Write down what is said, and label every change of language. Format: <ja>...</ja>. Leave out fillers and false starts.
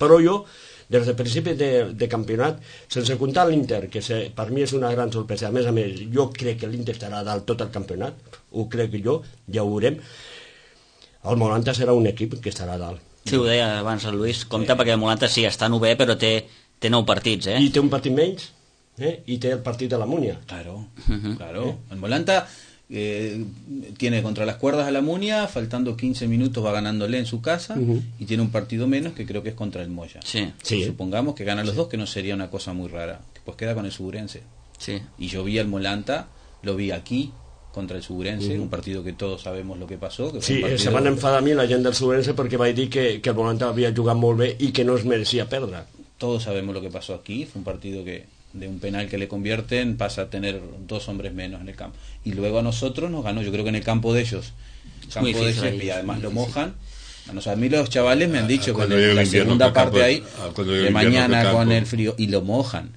<ca>Però jo, des del principi de campionat, sense comptar l'Inter, que per mi és una gran sorpresa, a més jo crec que l'Inter estarà dalt tot el campionat, ho crec jo, ja ho veurem, el Molanta serà un equip que estarà dalt. Sí, ho deia abans el Luis, compte, perquè el Molanta sí, està 9è, però té 9 partits, I té un partit menys, i té el partit de la Munia.</ca> <es>Claro, claro. El Molanta tiene contra las cuerdas a la Munia, faltando 15 minutos va ganándole en su casa, y tiene un partido menos, que creo que es contra el Moya. Sí. Sí. Supongamos que gana los dos, que no sería una cosa muy rara, pues queda con el Sugurense. Sí. Y yo vi al Molanta, lo vi aquí, contra el Sugurense, un partido que todos sabemos lo que pasó. Que sí, partido...</es> <ca>se van enfadar a mí la gent del Sugurense perquè vaig dir que el Molanta havia jugat molt bé i que no es merecia perdre.</ca> <es>Todos sabemos lo que pasó aquí, fue un partido que de un penal que le convierten, pasa a tener dos hombres menos en el campo. Y luego a nosotros nos ganó, yo creo que en el campo de ellos, campo de ellos, y además lo mojan. Bueno, o sea, a mí los chavales me han dicho que en la segunda parte ahí, de mañana con el frío, y lo mojan.</es>